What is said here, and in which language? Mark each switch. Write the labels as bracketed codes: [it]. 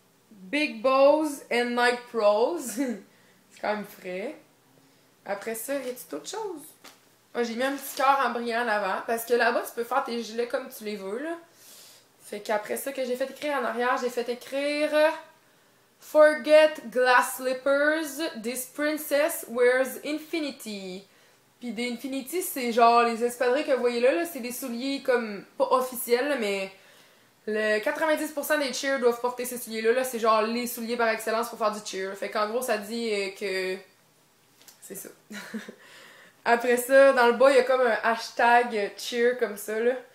[en] Big Bows and Night Pros. [fr] C'est quand même frais. Après ça, y a-t-il autre chose? Moi, j'ai mis un petit cœur en brillant en avant. Parce que là-bas, tu peux faire tes gilets comme tu les veux, là. Fait qu'après ça, que j'ai fait écrire en arrière, j'ai fait écrire... [en] Forget glass slippers. This princess wears infinity. [fr] Pis des infinity, c'est genre les espadrilles que vous voyez là. C'est des souliers comme... Pas officiels, mais... Le 90% des cheers doivent porter ces souliers-là, là, c'est genre les souliers par excellence pour faire du cheer. Fait qu'en gros, ça dit que... C'est ça. Après ça, dans le bas, il y a comme un hashtag cheer comme ça, là.